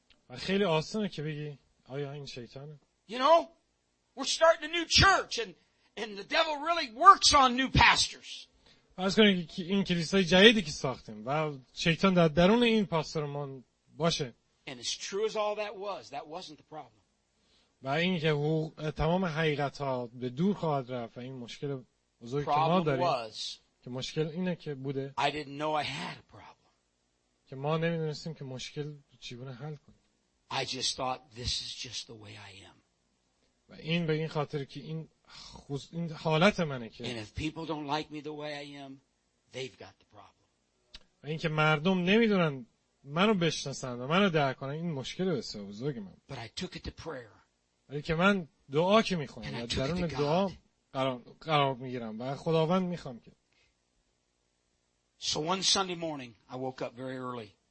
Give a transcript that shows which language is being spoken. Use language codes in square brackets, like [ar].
[fa] و خیلی آسانه که بگی آیا این شیطانه. [en] You know, we're starting a new church and the devil really works on new pastors. [fa] فرض کنید که این کلیسای جدیدی که ساختیم و شیطان در درون این پاسترمون باشه. [en] And it's true as all that was. That wasn't the problem. [fa] و این که تمام حقیقت ها به دور خواهد رفت و این مشکل بزرگی که ما داریم که مشکل اینه که بوده [en] I didn't know I had a problem. [fa] که ما نمیدونستیم که مشکل چیگونه حل کنیم [en] I just thought this is just the way I am. [fa] و این به این خاطر که این این حالت منه که [en] And if people don't like me the way I am, they've got the problem. [fa] و این که مردم نمیدونن منو بشناسن و منو درک کنن این مشکل بسیار بزرگی من [en] But I took it to prayer. [fa] ولی که من دعا که میخونم درون دعا قرار میگیرم و خداوند میخوام که. [en] So one Sunday morning I woke up very early.